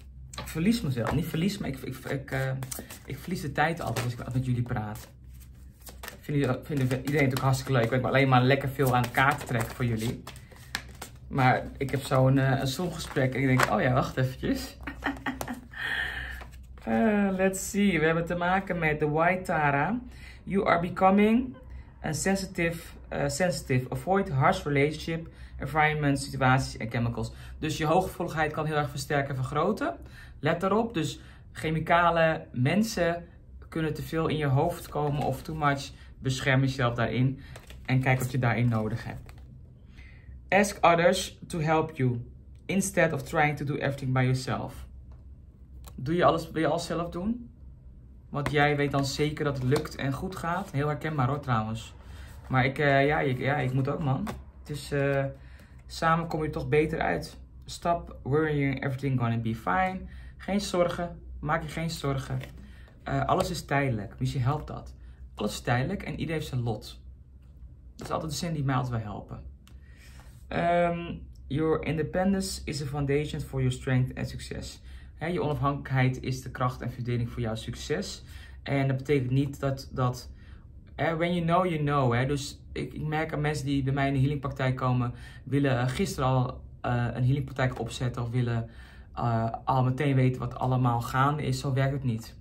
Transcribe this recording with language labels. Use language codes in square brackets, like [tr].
[nl] Ik verlies mezelf. Niet verlies, maar ik verlies de tijd altijd als ik met jullie praat. Vinden iedereen het ook hartstikke leuk. Ik ben alleen maar lekker veel aan de kaart trekken voor jullie. Maar ik heb zo een Zoom-gesprek en ik denk, oh ja, wacht eventjes. [en] let's see. [nl] We hebben te maken met de White Tara. [en] You are becoming a sensitive. Avoid harsh relationship, environment, [nl] situaties en [en] chemicals. [nl] Dus je hooggevoeligheid kan heel erg versterken en vergroten. Let daarop. Dus chemicalen, mensen kunnen te veel in je hoofd komen of [en] too much. [nl] Bescherm jezelf daarin en kijk wat je daarin nodig hebt. [en] Ask others to help you instead of trying to do everything by yourself. [nl] Doe je alles, wil je alles zelf doen? Want jij weet dan zeker dat het lukt en goed gaat. Heel herkenbaar hoor trouwens. Maar ik moet ook man. Dus samen kom je toch beter uit. [en] Stop worrying, everything gonna be fine. [nl] Geen zorgen, maak je geen zorgen. Alles is tijdelijk, misschien helpt dat. Alles is tijdelijk en iedereen heeft zijn lot. Dat is altijd de zin die mij altijd wil helpen. [en] Your independence is a foundation for your strength and success. [nl] He, je onafhankelijkheid is de kracht en verdeling voor jouw succes. En dat betekent niet dat [en] when you know, you know. [nl] He. Dus ik merk aan mensen die bij mij in de healingpraktijk komen, willen gisteren al een healingpraktijk opzetten of willen al meteen weten wat allemaal gaande is. Zo werkt het niet.